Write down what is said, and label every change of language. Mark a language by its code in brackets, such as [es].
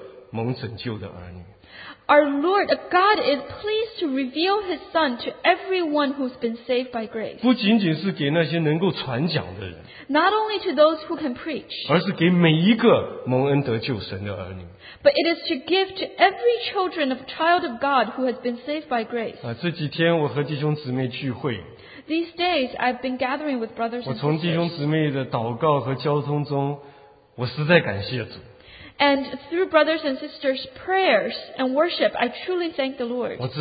[zh] 弟兄姊妹们，神乐意把他的儿子，我们主耶稣基督，启示给每一个蒙拯救的儿女。Our [en] Lord God is pleased to reveal His Son to everyone who's been saved by grace. [zh] 不仅仅是给那些能够传讲的人, [en] not only to those who can preach, [zh] 而是给每一个蒙恩得救神的儿女, [en] but it is to give to every children of child of God who has been saved by grace. [zh] 这几天我和弟兄姊妹聚会, [en] these days I've been gathering with brothers and sisters. [zh] 我从弟兄姊妹的祷告和交通中, 我实在感谢主。 [en] And through brothers and sisters' prayers and worship, I truly thank the Lord.